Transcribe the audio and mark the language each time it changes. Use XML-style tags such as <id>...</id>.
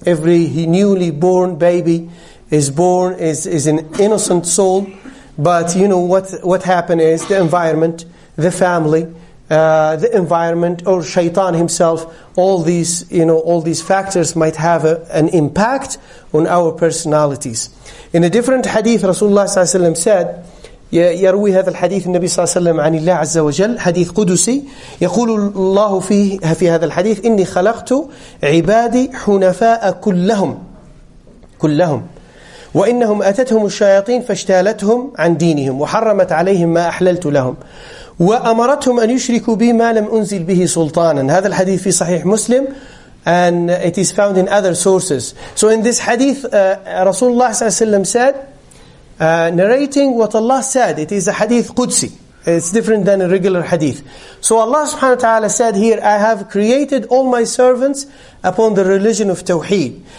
<en>Every newly born baby is an innocent soul. But what happened is the environment, the family, the environment, or shaitan himself, all these factors might have an impact on our personalities. In a different hadith, Rasulullah sallallahu alaihi wasallam said,</en> <ar>يروي هذا الحديث النبي صلى الله عليه وسلم عن الله عز وجل حديث قدسي يقول الله فيه في هذا الحديث إني خلقت عبادي حنفاء كلهم وإنهم أتتهم الشياطين فاشتالتهم عن دينهم وحرمت عليهم ما أحللت لهم وأمرتهم أن يشركوا بي ما لم أنزل به سلطانا. هذا الحديث في صحيح مسلم</ar> <en>and it is found in other sources. So in this hadith</en> <ar>رسول الله صلى الله عليه وسلم</ar> <en>said, narrating what Allah said. It is a hadith Qudsi. It's different than a regular hadith. So Allah subhanahu wa ta'ala said here, I have created all my servants upon the religion of Tawheed.</en>